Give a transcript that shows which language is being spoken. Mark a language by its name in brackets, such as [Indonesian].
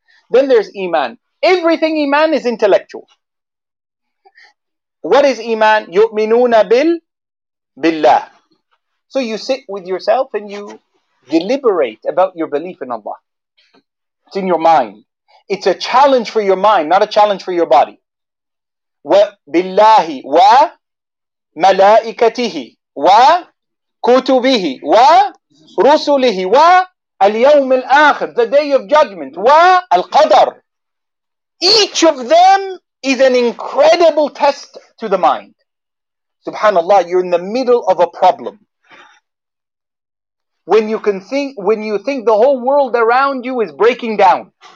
[English] Then there's iman. Everything iman is intellectual. What is iman? [Arabic] يُؤْمِنُونَ بِاللَّهِ. [English] So you sit with yourself and you deliberate about your belief in Allah. It's in your mind. It's a challenge for your mind, not a challenge for your body. [Arabic] وَبِاللَّهِ وَمَلَائِكَتِهِ وَكُتُبِهِ وَرُسُلِهِ وَالْيَوْمِ الْآخِرِ, [English] the day of judgment, [Arabic] وَالْقَدَرِ. [English] Each of them is an incredible test to the mind. Subhanallah, you're in the middle of a problem. When you can think, when you think the whole world around you is breaking down.